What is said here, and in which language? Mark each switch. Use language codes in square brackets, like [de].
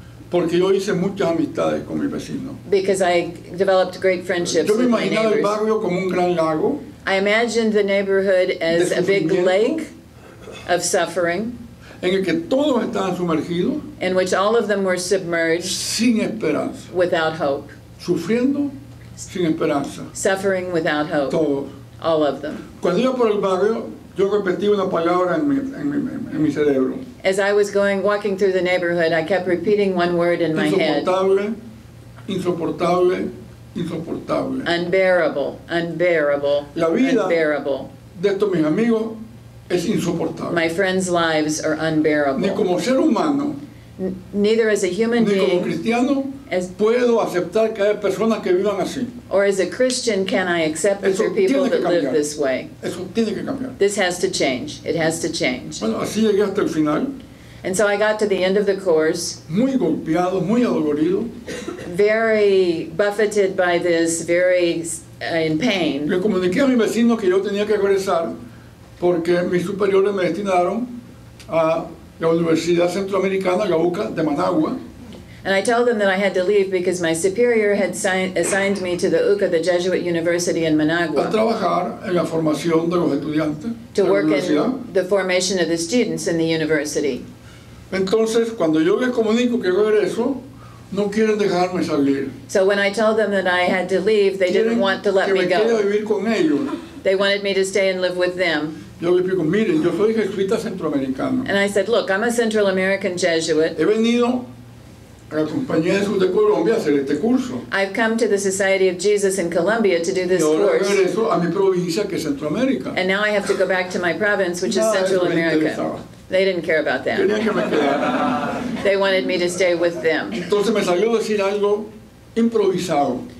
[es] Porque yo hice muchas amistades con mis vecinos. [en] Because I developed great friendships with my neighbors. [es] Yo me imaginaba el barrio como un gran lago. [en] I imagined the neighborhood as a big lake of suffering. [es] En el que todos estaban sumergidos, [en] in which all of them were submerged, [es] sin esperanza, [en] without hope, [es] sufriendo, sin esperanza, [en] suffering without hope, [es] todos, [en] all of them. [es] Cuando iba por el barrio, yo repetía una palabra en mi cerebro. [en] As I was walking through the neighborhood, I kept repeating one word in my head. [es] Insoportable, insoportable, insoportable. [en] Unbearable, unbearable, [es] la vida [en] unbearable. [es] De estos mis amigos. Es insoportable. [en] My friends' lives are unbearable. [es] Ni como ser humano, [en] neither as a human [es] ni [en] being, [es] como cristiano, puedo aceptar que hay personas que vivan así. [en] Or as a Christian, can I accept that there are people that [es] cambiar. [en] Live this way? [es] Eso tiene que cambiar. [en] This has to change. It has to change. [es] Bueno, así llegué hasta el final. [en] And so I got to the end of the course. [es] Muy golpeado, muy adolorido. [en] Very buffeted by this, very in pain. [es] Le comuniqué a mi vecino que yo tenía que regresar. Porque mis superiores me destinaron a la Universidad Centroamericana, la UCA, de Managua. [en] And I told them that I had to leave because my superior had assigned me to the UCA, the Jesuit University in Managua. [es] A trabajar en la formación de los estudiantes [en] to [es] de [en] work [es] la universidad. [en] In the formation of the students in the university. [es] Entonces, cuando yo les comunico que voy a hacer eso, no quieren dejarme salir. [en] So when I told them that I had to leave, they didn't want to let me go. [es] Quieren que me quede vivir con ellos. [en] They wanted me to stay and live with them. [es] Yo les digo, miren, yo soy jesuita centroamericano. [en] And I said, look, I'm a Central American Jesuit. [es] He venido a la Compañía de Jesús de Colombia a hacer este curso. [en] I've come to the Society of Jesus in Colombia to do this [es] y ahora [en] course. [es] Regreso a mi provincia, que es Centroamérica. [en] And now I have to go back to my province, which is Central America. They didn't care about that. [es] Querían que me quedara. [en] They wanted me to stay with them. [es] Entonces me salió decir algo improvisado.